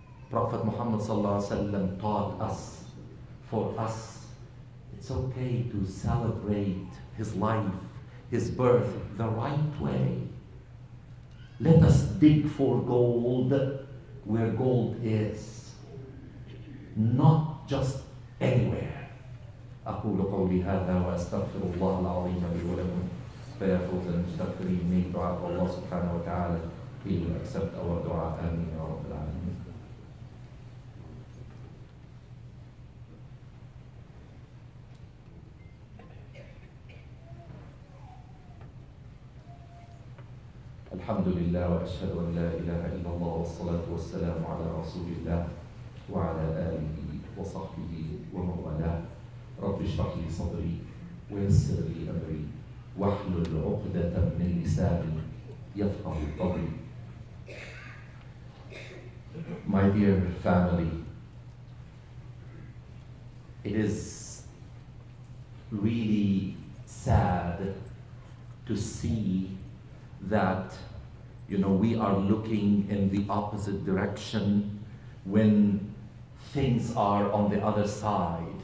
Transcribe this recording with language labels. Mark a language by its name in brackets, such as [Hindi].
[English] Prophet Muhammad sallallahu alaihi wasallam taught us, for us, it's okay to celebrate his life, his birth, the right way. Let us dig for gold where gold is, not just anywhere. [Arabic] أقول قولي هذا وأستغفر الله العظيم لي ولكم فيا فوز المستغفرين. May دعاء الله سبحانه وتعالى [English] He will accept our dua. Amin ya Rabbil Alameen. [Arabic] الحمد لله وأشهد أن لا إله إلا الله والصلاة والسلام على رسول الله وعلى آله وصحبه ومن والاه. رب اشرح لي صدري ويسر لي أمري واحلل عقدة من لساني يفقه قولي. [English] My dear family, it is really sad to see that, you know, we are looking in the opposite direction when things are on the other side.